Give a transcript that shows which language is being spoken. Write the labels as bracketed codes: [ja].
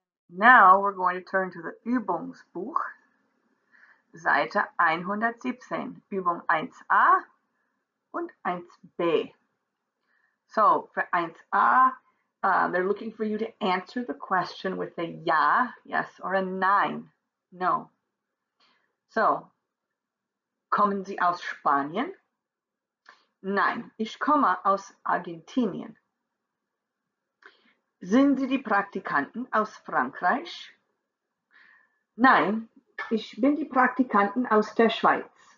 [en] Now we're going to turn to the Übungsbuch, Seite 117, Übung 1a und 1b. So for 1a, they're looking for you to answer the question with a ja, yes, or a nein, no. [de] So, kommen Sie aus Spanien? Nein, ich komme aus Argentinien. Sind Sie die Praktikanten aus Frankreich? Nein, ich bin die Praktikanten aus der Schweiz.